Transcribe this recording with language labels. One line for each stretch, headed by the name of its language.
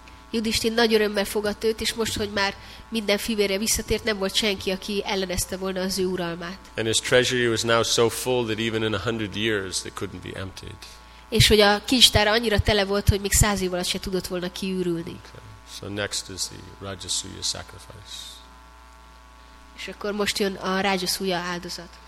Hungarian: Yudhishthira nagy örömmel fogadta őt, és most, hogy már minden fivére visszatért, nem volt senki, aki ellenezte volna az ő uralmát.
English: And his treasury was now so full that even in 100 years it couldn't be emptied.
Hungarian: És hogy a kincstára annyira tele volt, hogy még 100 év alatt se tudott volna kiürülni.
English: Okay. So next is the Rajasuya sacrifice.
Hungarian: És akkor most jön a Rajasuya áldozat.